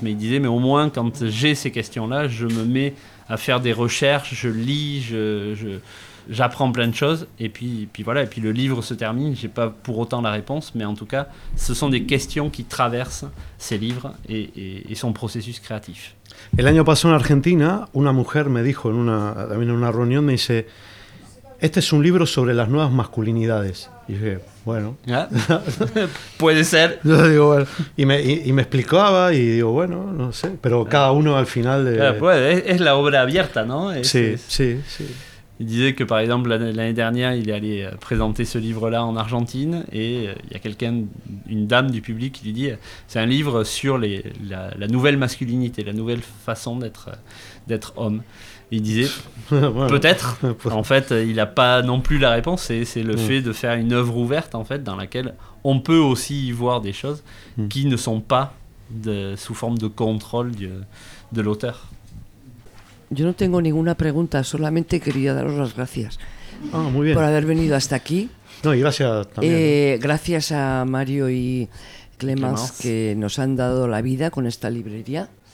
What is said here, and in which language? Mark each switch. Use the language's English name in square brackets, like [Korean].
[French] Mais il disait, mais au moins, quand j'ai ces questions-là, je me mets à faire des recherches, je lis, j'apprends plein de choses. Et puis voilà, et puis le livre se termine. J'ai pas pour autant la réponse, mais en tout cas, ce sont des questions qui traversent ces livres et son processus créatif. [Spanish] El año pasado en Argentina, una mujer me dijo en una reunión, me dice, este es un libro sobre las nuevas masculinidades. Y dije, bueno. ¿Ah? Puede ser. Yo digo, bueno, y me explicaba y digo, bueno, no sé. Pero cada uno al final de... Claro, pues, es la obra abierta, ¿no? Sí. [French] Il disait que, par exemple, l'année dernière, il est allé présenter ce livre-là en Argentine et il y a quelqu'un, une dame du public qui lui dit « C'est un livre sur la nouvelle masculinité, la nouvelle façon d'être homme. » Il disait « Peut-être. » En fait, il n'a pas non plus la réponse. C'est le fait de faire une œuvre ouverte, en fait, dans laquelle on peut aussi y voir des choses qui ne sont pas sous forme de contrôle de l'auteur. [Spanish] Yo no tengo ninguna pregunta, solamente quería daros las gracias muy bien. Por haber venido hasta aquí. No, y gracias también. Gracias a Mario y Clemens que nos han dado la vida con esta librería.